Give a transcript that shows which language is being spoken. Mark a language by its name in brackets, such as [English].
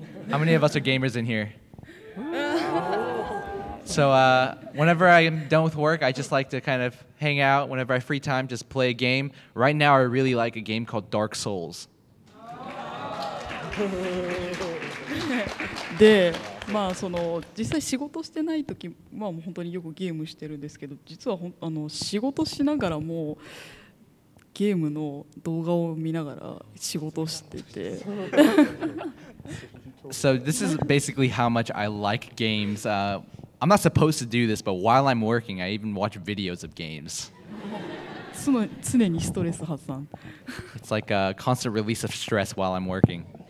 [English] How many of us are gamers in here? So, whenever I'm done with work, I just like to kind of hang out. Whenever I have free time, just play a game. Right now, I really like a game called Dark Souls. [Japanese] で、まあその実際仕事してない時、まあ、もう本当によくゲームしてるんですけど、実はあの仕事しながらもゲームの動画を見ながら仕事してて。 [English] So this is basically how much I like games. I'm not supposed to do this, but while I'm working, I even watch videos of games. [Japanese] 常にストレス発散。 [English] It's like a constant release of stress while I'm working.